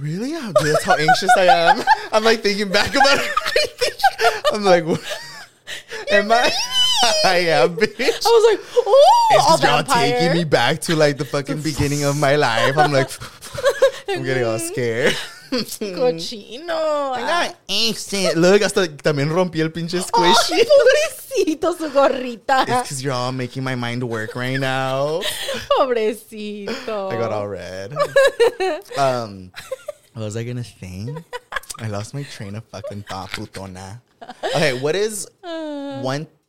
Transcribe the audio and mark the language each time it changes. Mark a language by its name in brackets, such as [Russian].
[English] Really? That's how anxious I am. I'm like thinking back about it. I'm like, am I? I am, bitch. I was like, oh, it's just y'all taking me back to like the fucking beginning of my life. I'm like, I'm getting all scared. [Spanish] Cochino. Look, hasta también rompí el pinche squishy. Oh, pobrecito, su gorrita. [English] It's because you're all making my mind work right now. [Spanish] Pobrecito. [English] I got all red. What was I going to say? I lost my train of fucking thought, putona. Okay, what is one...